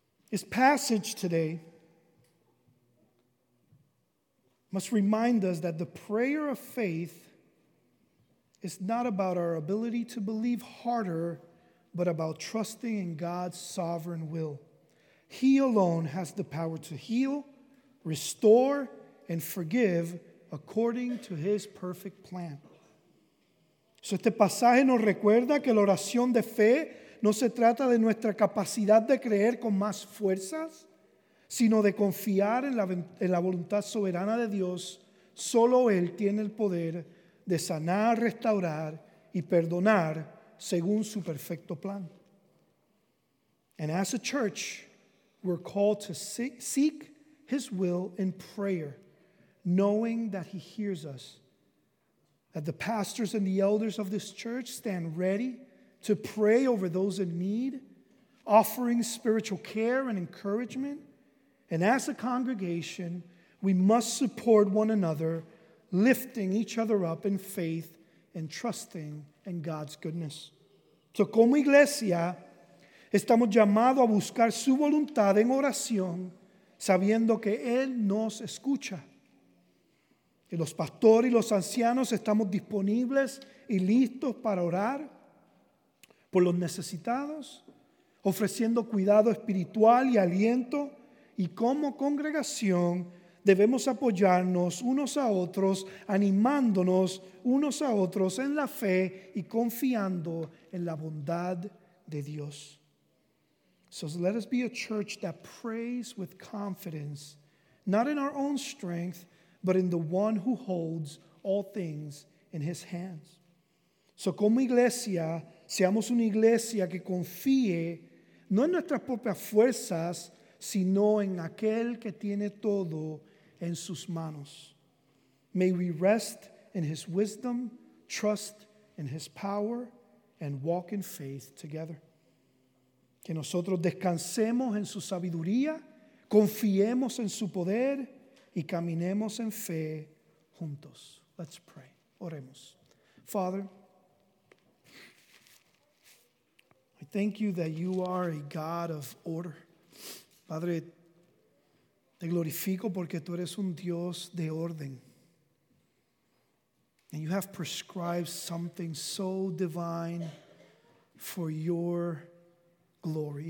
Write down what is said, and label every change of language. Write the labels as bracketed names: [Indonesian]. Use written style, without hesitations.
[English] This passage today must remind us that the prayer of faith, it's not about our ability to believe harder, but about trusting in God's sovereign will. He alone has the power to heal, restore, and forgive according to his perfect plan. [Spanish] So este pasaje nos recuerda que la oración de fe no se trata de nuestra capacidad de creer con más fuerzas, sino de confiar en la voluntad soberana de Dios. Solo él tiene el poder de sanar, restaurar, y perdonar según su perfecto plan. [English] And as a church, we're called to seek his will in prayer, knowing that he hears us, that the pastors and the elders of this church stand ready to pray over those in need, offering spiritual care and encouragement. And as a congregation, we must support one another, lifting each other up in faith and trusting in God's goodness. [Spanish] So, como iglesia, estamos llamados a buscar su voluntad en oración, sabiendo que Él nos escucha. Y los pastores y los ancianos estamos disponibles y listos para orar por los necesitados, ofreciendo cuidado espiritual y aliento, y como congregación, debemos apoyarnos unos a otros, animándonos unos a otros en la fe y confiando en la bondad de Dios. [English] So let us be a church that prays with confidence, not in our own strength, but in the one who holds all things in his hands. [Spanish] So como iglesia, seamos una iglesia que confíe no en nuestras propias fuerzas, sino en aquel que tiene todo en sus manos. [English] May we rest in his wisdom, trust in his power, and walk in faith together. [Spanish] Que nosotros descansemos en su sabiduría, confiemos en su poder, y caminemos en fe juntos. [English] Let's pray. [Spanish] Oremos. [English] Father, I thank you that you are a God of order. [Spanish] Padre, te glorifico porque tú eres un Dios de orden. [English] And you have prescribed something so divine for your glory.